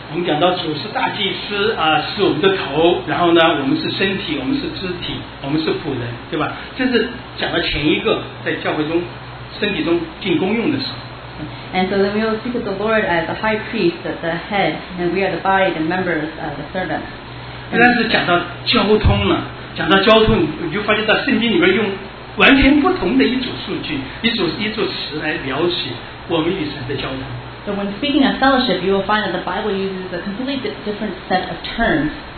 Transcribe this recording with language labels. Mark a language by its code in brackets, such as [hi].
[zh] 我们讲到主是大祭司啊，是我们的头，然后呢，我们是身体，我们是肢体，我们是仆人，对吧？这是讲到前一个在教会中身体中进功用的时候。 [en] And so then we will speak of the Lord as the high priest, the head, and we are the body, the members, the servants. [zh] 但是讲到交通了，讲到交通，你就发现到圣经里面用。完全不同的一组数据，一组词来描写我们与神的交通。 [en] So when speaking of fellowship, you will find that the Bible uses a completely different set of terms.